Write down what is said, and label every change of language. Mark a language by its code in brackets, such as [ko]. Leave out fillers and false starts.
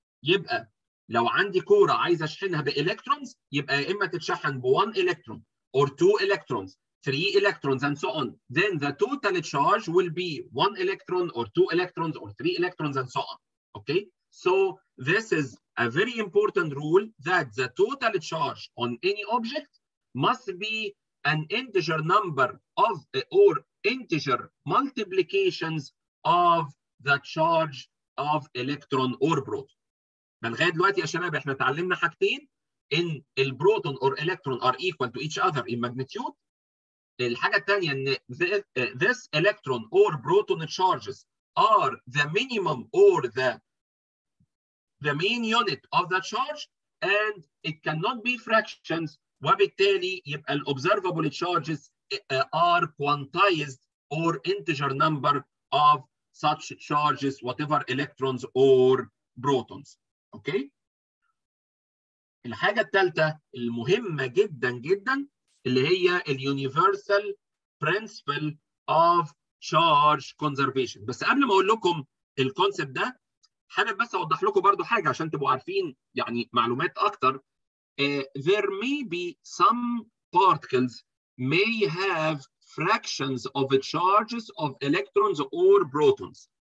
[ar] يبقى لو عندي كورة عايز أشحنها بإلكترونز يبقى إما تتشحن بوان إلكترون [en] or two electrons, three electrons and so on. Then the total charge will be one electron or two electrons or three electrons and so on. Okay. So this is a very important rule that the total charge on any object must be an integer number of or integer multiplications of the charge of electron or proton. [ar] من غير دلوقتي يا شباب احنا تعلمنا حاجتين ان [en] البروتون or electron are equal to each other in magnitude. [ar] الحاجه الثانيه ان [en] this electron or proton charges are the minimum or the main unit of the charge and it cannot be fractions. [ar] وبالتالي يبقى [en] الobservable charges are quantized or integer number of such charges, whatever electrons or protons. Okay. [ar] الحاجة الثالثة المهمة جدا جدا اللي هي [en] the universal principle of charge conservation. [ar] بس قبل ما أقول لكم الconcept ده حابب بس أوضح لكم برضو حاجة عشان تبقوا عارفين يعني معلومات أكتر. [en] There may be some particles may have fractions of the charges of electrons or protons.